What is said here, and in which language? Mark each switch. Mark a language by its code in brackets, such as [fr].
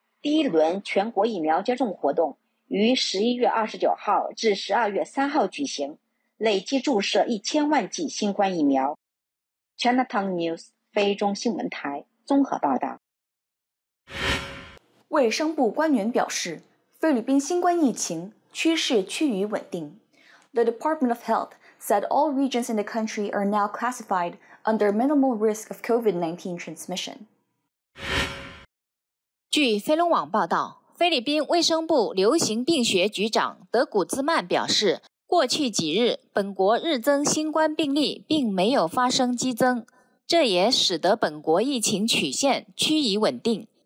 [zh] 第一轮全国疫苗接种活动于11月29号至12月3号举行，累计注射1000万剂新冠疫苗。 Cntv News 菲中新闻台综合报道。卫生部官员表示，菲律宾新冠疫情趋势趋于稳定。 [en] The Department of Health said all regions in the country are now classified under minimal risk of COVID-19 transmission. [zh] 据菲龙网报道，菲律宾卫生部流行病学局长德古兹曼表示，过去几日本国日增新冠病例并没有发生激增，这也使得本国疫情曲线趋于稳定。